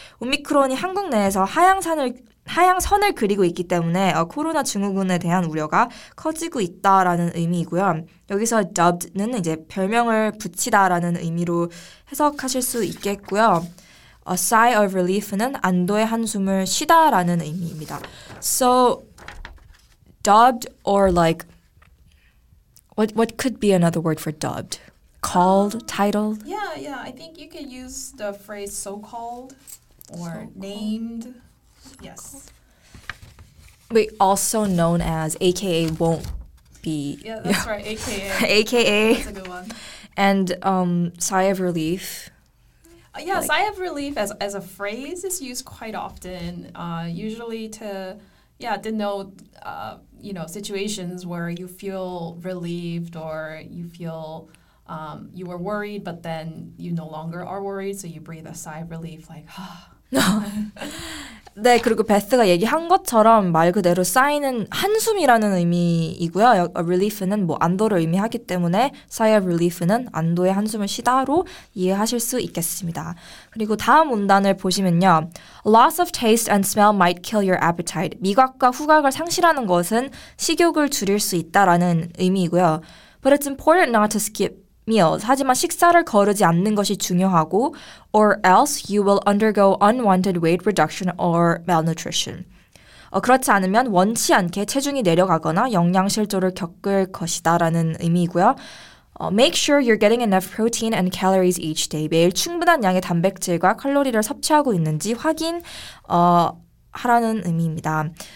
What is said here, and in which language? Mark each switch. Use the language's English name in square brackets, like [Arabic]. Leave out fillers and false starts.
[Korean] 오미크론이 한국 내에서 하향선을 그리고 있기 때문에 코로나 증후군에 대한 우려가 커지고 있다라는 의미이고요. 여기서 dubbed는 이제 별명을 붙이다라는 의미로 해석하실 수 있겠고요. [English] A sigh of relief [Korean] 는 안도의 한숨을 쉬다라는 의미입니다. [English] So dubbed or like what could be another word for dubbed? Called, titled? Yeah, I think you could use the phrase so-called or so-called. Named. Yes. Wait, also known as AKA won't be. Yeah, that's right, AKA. That's a good one. And sigh of relief. Sigh of relief as a phrase is used quite often, usually to denote situations where you feel relieved or you feel you were worried, but then you no longer are worried, so you breathe a sigh of relief, like, [Korean] ah. 네, 그리고 베스가 얘기한 것처럼 말 그대로 sigh는 한숨이라는 의미이고요. A relief는 뭐 안도를 의미하기 때문에 [English] sigh of relief [Korean] 는 안도의 한숨을 쉬다로 이해하실 수 있겠습니다. 그리고 다음 문단을 보시면요. [English] Loss of taste and smell might kill your appetite. [Korean] 미각과 후각을 상실하는 것은 식욕을 줄일 수 있다라는 의미이고요. [English] But it's important not to skip meals. [Korean] 하지만 식사를 거르지 않는 것이 중요하고 [English] or else you will undergo unwanted weight reduction or malnutrition. [Korean] 그렇지 않으면 원치 않게 체중이 내려가거나 영양실조를 겪을 것이다 라는 의미이고요. [English] Make sure you're getting enough protein and calories each day. [Korean] 매일 충분한 양의 단백질과 칼로리를 섭취하고 있는지 확인 하라는 의미입니다.